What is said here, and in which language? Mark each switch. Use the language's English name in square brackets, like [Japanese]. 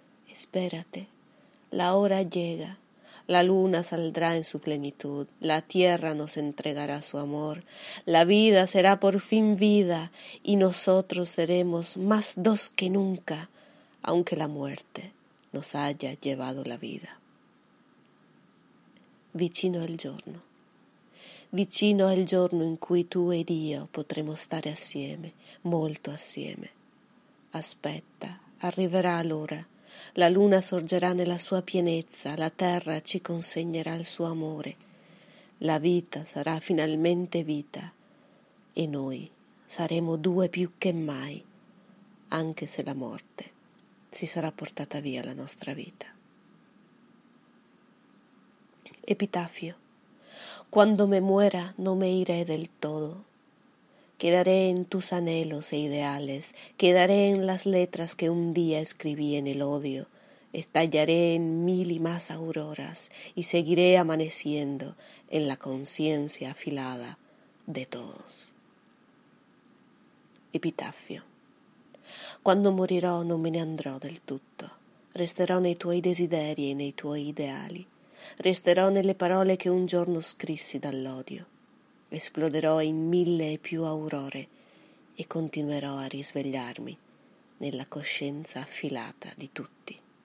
[Spanish] Espérate, la hora llega, la luna saldrá en su plenitud, la tierra nos entregará su amor, la vida será por fin vida y nosotros seremos más dos que nunca, aunque la muerte nos haya llevado la vida. [Italian] Vicino el giorno. Vicino al giorno in cui tu ed io potremo stare assieme, molto assieme. Aspetta, arriverà l'ora. La luna sorgerà nella sua pienezza, la terra ci consegnerà il suo amore. La vita sarà finalmente vita e noi saremo due più che mai, anche se la morte si sarà portata via la nostra vita. [Spanish] Epitafio. Cuando me muera, no me iré del todo. Quedaré en tus anhelos e ideales, quedaré en las letras que un día escribí en el odio, estallaré en mil y más auroras y seguiré amaneciendo en la conciencia afilada de todos. Epitafio. [Italian] Cuando morirò, non me ne andrò del tutto. Resterò nei tuoi desideri e nei tuoi ideali. Resterò nelle parole che un giorno scrissi dall'odio. Esploderò in mille e più aurore e continuerò a risvegliarmi nella coscienza affilata di tutti.